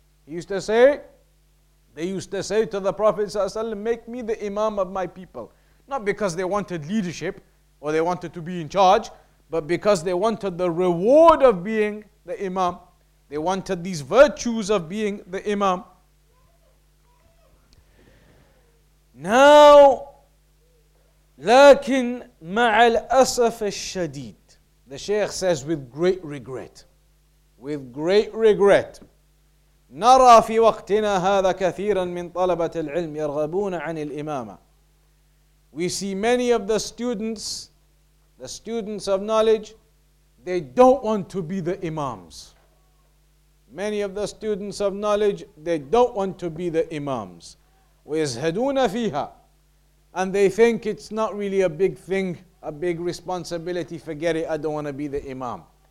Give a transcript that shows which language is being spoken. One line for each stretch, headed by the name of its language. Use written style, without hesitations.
English: He used to say, they used to say to the Prophet ﷺ, make me the imam of my people. Not because they wanted leadership or they wanted to be in charge, but because they wanted the reward of being the imam. They wanted these virtues of being the imam. Now,
Arabic: لكن مع الأسف الشديد,
English: the Shaykh says with great regret,
Arabic: with great regret, نرى في وقتنا هذا كثيرا من طلبة العلم يرغبون عن الإمامة.
English: We see many of the students of knowledge, they don't want to be the imams. Many of the students of knowledge, they don't want to be the imams.
Arabic: وَيَزْهَدُونَ فِيهَا.
English: And they think it's not really a big thing, a big responsibility, forget it, I don't want to be the imam.